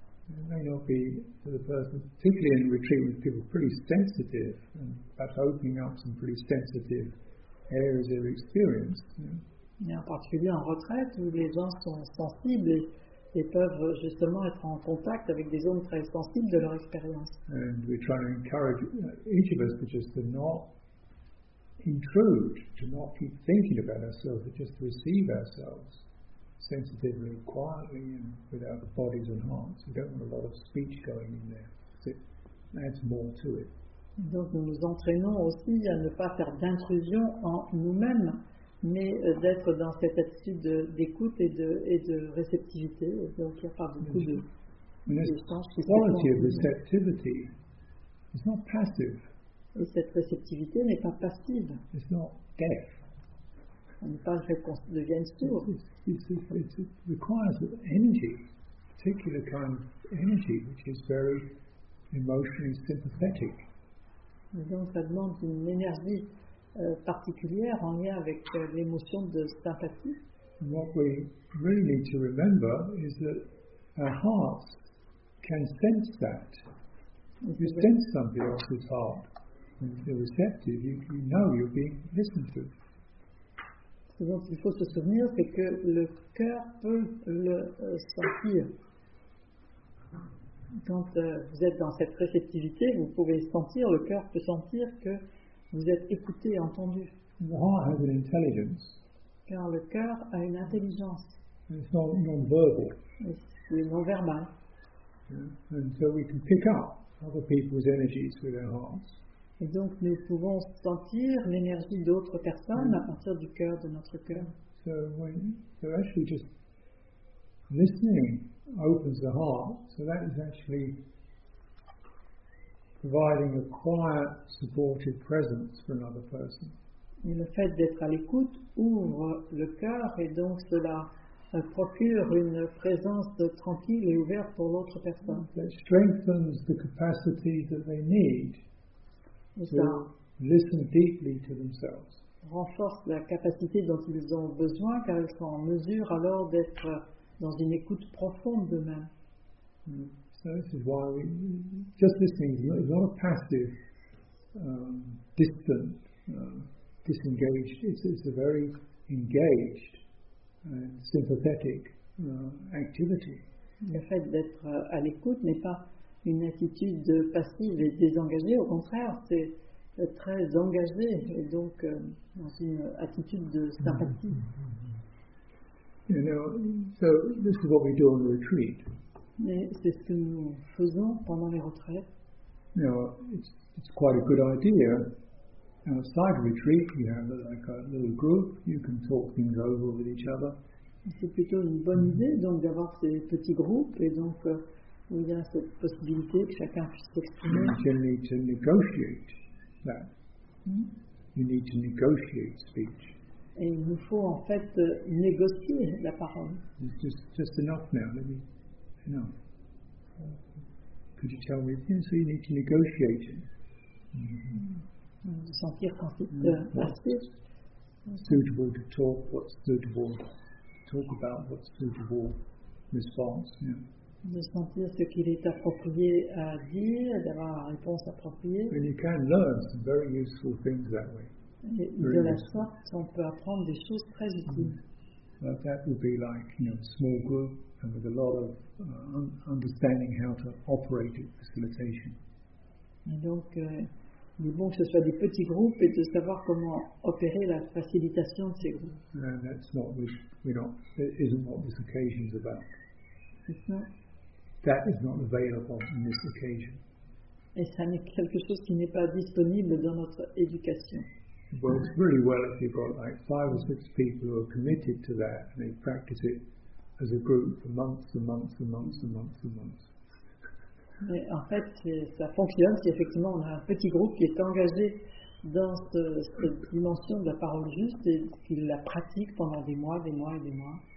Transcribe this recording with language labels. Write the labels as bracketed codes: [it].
[en] It may not be for the person, particularly in retreat with people pretty sensitive, and perhaps opening up some pretty sensitive areas of experience. You know. [fr] Et en particulier en retraite, où les gens sont sensibles et peuvent justement être en contact avec des zones très sensibles de leur expérience. [en] And we try to encourage each of us to just to not intrude, to not keep thinking about ourselves, but just to receive ourselves. Sensitively, quietly, and without the bodies and hearts. We don't want a lot of speech going in there. It adds more to it. [fr] Donc nous nous entraînons aussi à ne pas faire d'intrusion en nous-mêmes, mais d'être dans cette attitude d'écoute et de réceptivité, donc il y a pas beaucoup de [en] quality of receptivity is not passive. [fr] Et cette réceptivité n'est pas passive. [en] It's not deaf. [fr] On ne parle pas qu'on devienne sourd. [en] It requires an energy, a particular kind of energy which is very emotionally sympathetic. [fr] Et donc ça demande une énergie particulière en lien avec l'émotion de sympathie. [en] And what we really need to remember is that our hearts can sense that. If you sense somebody else's heart and feel receptive, you know you're being listened to. [fr] Ce dont il faut se souvenir, c'est que le cœur peut le sentir. Quand vous êtes dans cette réceptivité, vous pouvez sentir, le cœur peut sentir que vous êtes écouté, entendu. [en] The heart has an intelligence. [fr] Car le cœur a une intelligence. [en] It's not non-verbal. [fr] C'est non-verbal. Yeah. [en] And so we can pick up other people's energies with our hearts. [fr] Et donc nous pouvons sentir l'énergie d'autres personnes à partir du cœur de notre cœur. [en] So actually just listening opens the heart. So that is actually providing a quiet, supportive presence for another person. [fr] Et le fait d'être à l'écoute ouvre le cœur et donc cela procure une présence tranquille et ouverte pour l'autre personne. [en] That strengthens the capacity that they need to listen deeply to themselves. [fr] Renforce la capacité dont ils ont besoin, car ils sont en mesure alors d'être dans une écoute profonde d'eux-mêmes. [en] So this is why we just listening is not a passive, distant, disengaged. It's a very engaged and sympathetic activity. [fr] Le fait d'être à l'écoute n'est pas une attitude passive et désengagée, au contraire, c'est très engagé et donc dans une attitude de sympathie. [en] You know, so this is what we do on the retreat. [fr] Mais c'est ce que nous faisons pendant les retraites. [en] You know, it's quite a good idea. Outside retreat, you have like a little group, you can talk things over with each other. [fr] C'est plutôt une bonne idée donc d'avoir ces petits groupes et donc il y a cette possibilité que chacun puisse s'exprimer. [en] You need to negotiate that. You need to negotiate speech. [fr] Et il nous faut en fait négocier la parole. [en] It's just enough now, let me, enough. Could you tell me, so you need to negotiate it. [fr] De sentir quand c'est assez. [en] Suitable to talk, what's suitable to talk about, what's suitable response, yeah. [fr] De sentir ce qu'il est approprié à dire, d'avoir la réponse appropriée. [en] And you can learn some very useful things that way. [fr] De la sorte, on peut apprendre des choses très utiles. [en] But that would be like, you know, small group and with a lot of understanding how to operate it, facilitation. [fr] Et donc, il est bon que ce soit des petits groupes et de savoir comment opérer la facilitation de ces groupes. [en] And that's not, you know, it isn't what this occasion is about. That is not available on this occasion. [fr] Et ça n'est quelque chose qui n'est pas disponible dans notre éducation. [en] It works really well if you've got like five or six people who are committed to that and they practice it as a group for months and months and months and months and months. [fr] Mais en fait, ça fonctionne si effectivement on a un petit groupe qui est engagé dans cette dimension de la parole juste et qui la pratique pendant des mois, des mois et des mois.